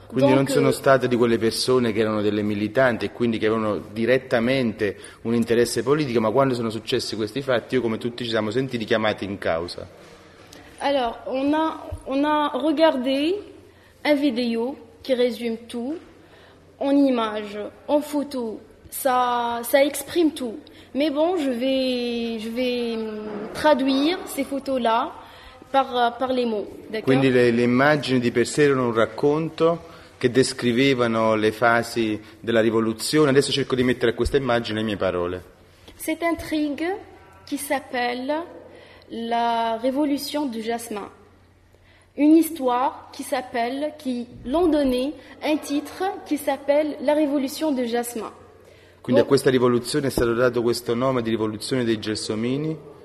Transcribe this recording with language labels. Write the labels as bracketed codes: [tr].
[it] Quindi non sono state di quelle persone che erano delle militanti e quindi che avevano direttamente un interesse politico, ma quando sono successi questi fatti, io come tutti ci siamo sentiti chiamati in causa. [fr] Alors, on a regardé un vidéo qui résume tout. En image, en photo, ça exprime tout. Mais bon, je vais traduire ces photos-là par les mots. D'accord? [it] Quindi le immagini di per sé erano un racconto che descrivevano le fasi della rivoluzione. Adesso cerco di mettere a questa immagine le mie parole. [fr] Cette intrigue qui s'appelle la révolution du jasmin. Une histoire qui l'ont donné un titre qui s'appelle La Révolution de Jasmin. [it] Quindi a questa rivoluzione è stato dato questo nome di rivoluzione dei gelsomini.